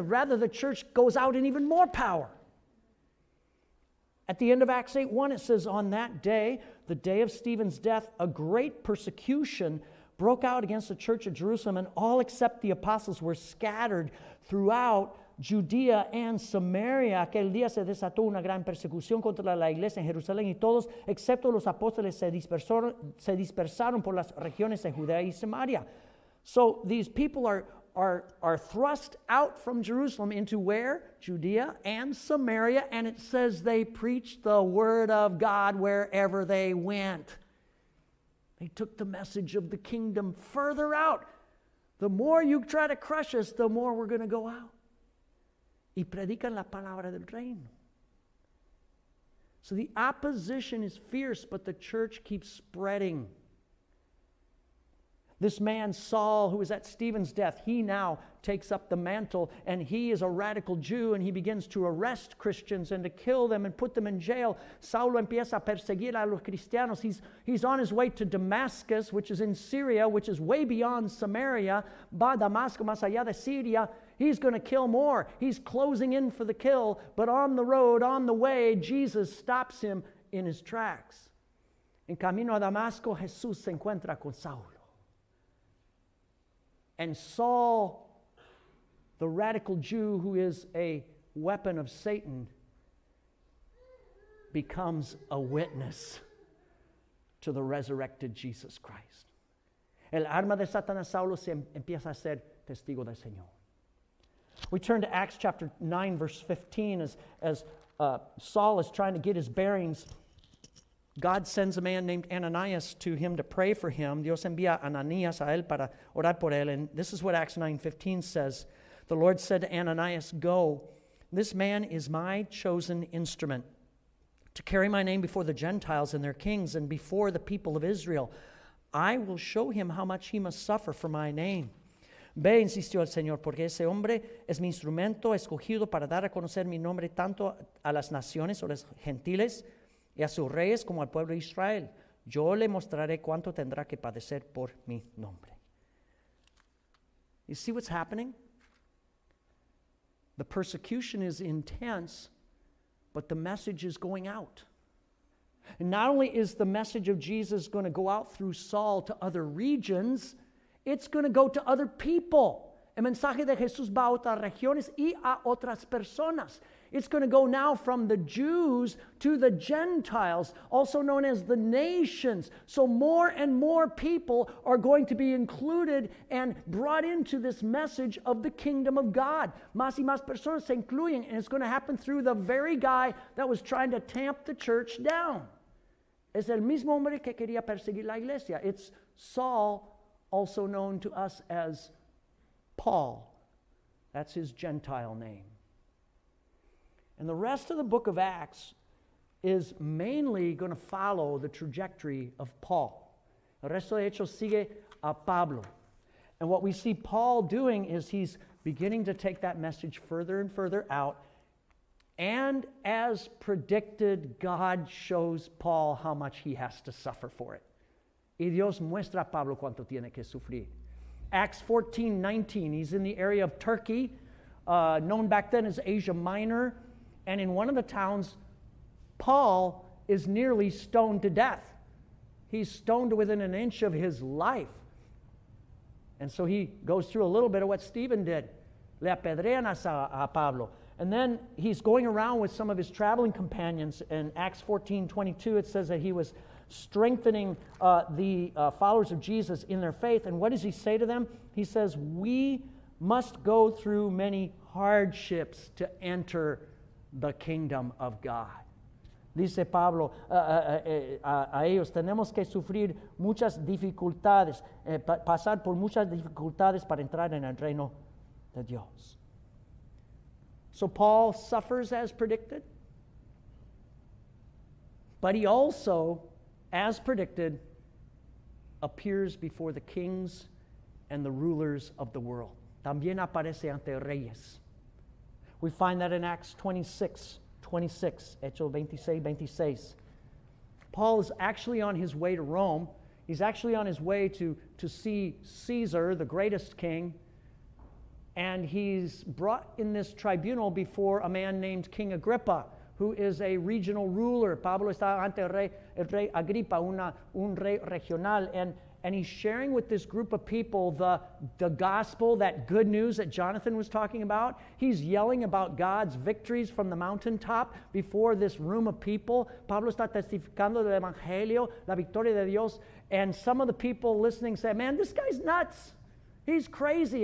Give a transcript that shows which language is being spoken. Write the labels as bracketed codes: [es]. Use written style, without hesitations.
[en] Rather, the church goes out in even more power. At the end of Acts 8:1, it says, on that day, the day of Stephen's death, a great persecution broke out against the church of Jerusalem, and all except the apostles were scattered throughout Judea and Samaria. [es] Aquel día se desató una gran persecución contra la iglesia en Jerusalén, y todos, excepto los apóstoles, se dispersaron por las regiones de Judea y Samaria. [en] So these people are thrust out from Jerusalem into where? Judea and Samaria, and it says they preached the word of God wherever they went. They took the message of the kingdom further out. The more you try to crush us, the more we're going to go out. [es] Y predican la palabra del reino. [en] So the opposition is fierce, but the church keeps spreading. This man, Saul, who was at Stephen's death, he now takes up the mantle, and he is a radical Jew, and he begins to arrest Christians and to kill them and put them in jail. [es] Saulo empieza a perseguir a los cristianos. [en] He's on his way to Damascus, which is in Syria, which is way beyond Samaria, [es] by Damasco, más allá de Siria. [en] He's going to kill more. He's closing in for the kill, but on the road, on the way, Jesus stops him in his tracks. [es] En camino a Damasco, Jesús se encuentra con Saul. [en] And Saul, the radical Jew who is a weapon of Satan, becomes a witness to the resurrected Jesus Christ. [es] El arma de Satanás, Saulo, se empieza a ser testigo del Señor. [en] We turn to Acts chapter 9, verse 15. As Saul is trying to get his bearings, God sends a man named Ananias to him to pray for him. [es] Dios envía a Ananias a él para orar por él. [en] And this is what Acts 9:15 says. The Lord said to Ananias, go, This man is my chosen instrument to carry my name before the Gentiles and their kings and before the people of Israel. I will show him how much he must suffer for my name. [es] Ve, insistió el Señor, porque ese hombre es mi instrumento escogido para dar a conocer mi nombre tanto a las naciones o los gentiles y a sus reyes como al pueblo de Israel. Yo le mostraré cuánto tendrá que padecer por mi nombre. [en] You see what's happening? The persecution is intense, but the message is going out. And not only is the message of Jesus going to go out through Saul to other regions, it's going to go to other people. [es] El mensaje de Jesús va a otras regiones y a otras personas. [en] It's going to go now from the Jews to the Gentiles, also known as the nations. So more and more people are going to be included and brought into this message of the kingdom of God. [es] Más y más personas se incluyen, [en] and it's going to happen through the very guy that was trying to tamp the church down. [es] Es el mismo hombre que quería perseguir la iglesia. [en] It's Saul, also known to us as Paul. That's his Gentile name. And the rest of the book of Acts is mainly going to follow the trajectory of Paul. [es] El resto de Hechos sigue a Pablo. [en] And what we see Paul doing is he's beginning to take that message further and further out. And as predicted, God shows Paul how much he has to suffer for it. [es] Y Dios muestra a Pablo cuánto tiene que sufrir. [en] Acts 14:19, he's in the area of Turkey, known back then as Asia Minor. And in one of the towns, Paul is nearly stoned to death. He's stoned within an inch of his life. And so he goes through a little bit of what Stephen did. [es] Le apedrean a Pablo. [en] And then he's going around with some of his traveling companions. And Acts 14:22, it says that he was strengthening followers of Jesus in their faith. And what does he say to them? He says, we must go through many hardships to enter the kingdom of God. [es] Dice Pablo a ellos, tenemos que sufrir muchas dificultades, pasar por muchas dificultades para entrar en el reino de Dios. [en] So Paul suffers as predicted, but he also, as predicted, appears before the kings and the rulers of the world. [es] También aparece ante reyes. [en] We find that in Acts 26:26, [es] Hechos 26:26. [en] Paul is actually on his way to Rome. He's actually on his way to see Caesar, the greatest king. And he's brought in this tribunal before a man named King Agrippa, who is a regional ruler. [es] Pablo está ante el rey Agrippa, un rey regional. [en] And he's sharing with this group of people the gospel, that good news that Jonathan was talking about. He's yelling about God's victories from the mountaintop before this room of people. [es] Pablo está testificando del evangelio, la victoria de Dios. [en] And some of the people listening say, man, this guy's nuts. He's crazy.